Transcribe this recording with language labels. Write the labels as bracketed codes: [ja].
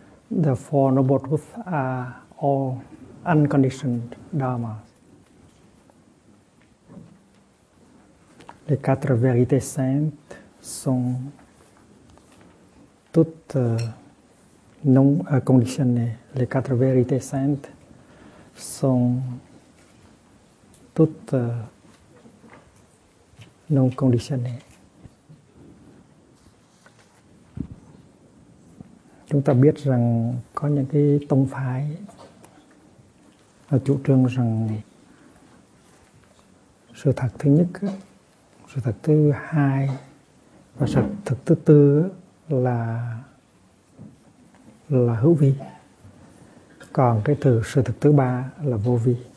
[en] The four noble truths are all unconditioned dharmas. [fr] Les quatre vérités saintes sont toutes non conditionnées. Les quatre vérités saintes sont toutes non conditionnées. [vi] Chúng ta biết rằng có những cái tông phái chủ trương rằng sự thật thứ nhất, sự thật thứ hai và sự thật thứ tư là hữu vi, còn cái thứ sự thật thứ ba là vô vi.